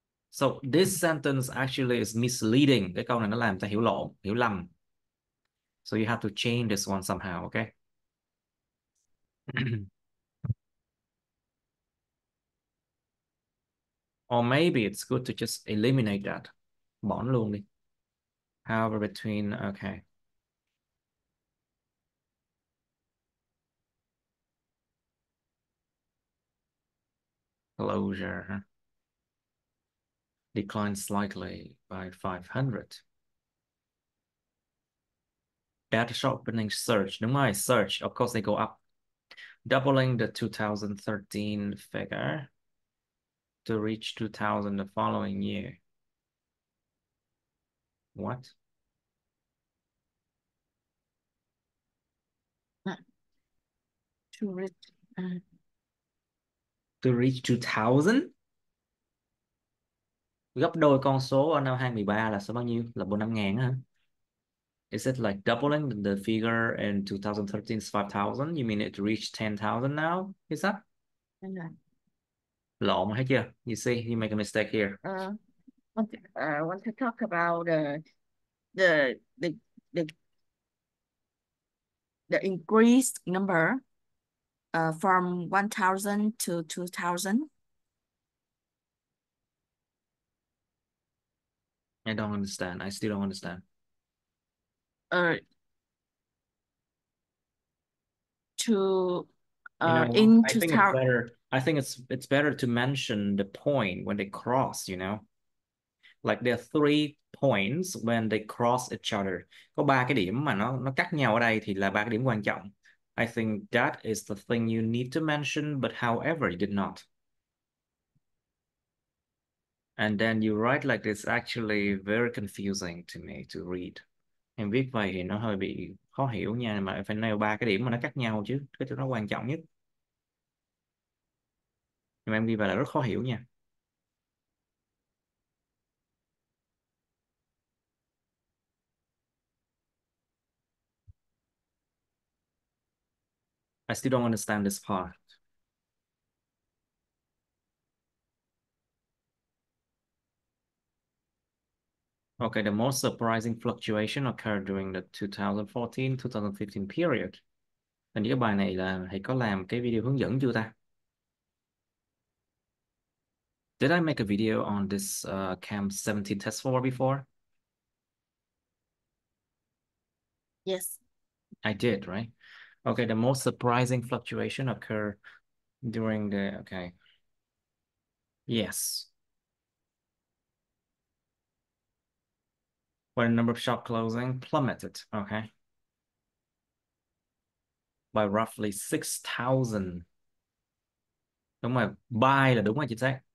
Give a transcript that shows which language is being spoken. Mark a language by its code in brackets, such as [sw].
[en] So this sentence actually is misleading. [vi] Cái câu này nó làm ta hiểu lộn, hiểu lầm. [en] So you have to change this one somehow, okay? Or maybe it's good to just eliminate that. [vi] Bỏ luôn đi. [en] However, between, [vi] okay. [en] Closure, huh? Declined slightly by 500. Data shop opening search. Đúng rồi, search. Of course, they go up. Doubling the 2013 figure to reach 2000 the following year. What? To reach, To reach 2000? [vi] Gấp đôi con số ở năm 2013 là số bao nhiêu? Là 45.000 hả? [en] Is it like doubling the figure in 2013's 5,000? You mean it reached 10,000 now? Is that? [vi] Lộn hết chưa? [en] You see, you make a mistake here. want to talk about the increased number. From 1,000 to 2,000. I don't understand. I still don't understand. You know, In I two think it's thousand. better. I think it's better to mention the point when they cross, you know. Like there are three points when they cross each other. [vi] Có ba cái điểm mà nó cắt nhau ở đây thì là ba cái điểm quan trọng. [en] I think that is the thing you need to mention, but however, you did not. And then you write like this actually very confusing to me to read. [vi] Em viết vậy thì nó hơi bị khó hiểu nha, mà phải nêu ba cái điểm mà nó cắt nhau chứ, cái chỗ nó quan trọng nhất. Nhưng mà em ghi vào là rất khó hiểu nha. [en] I still don't understand this part. Okay, the most surprising fluctuation occurred during the 2014-2015 period. [vi] Hình như cái bài này là thầy có làm cái video hướng dẫn chưa ta? [en] Did I make a video on this CAM 17 test for before? Yes. I did, right? Okay, the most surprising fluctuation occurred during the. Okay. Yes. When the number of shop closing plummeted, okay, by roughly 6,000. [vi] Đúng rồi, by là đúng rồi, chính xác.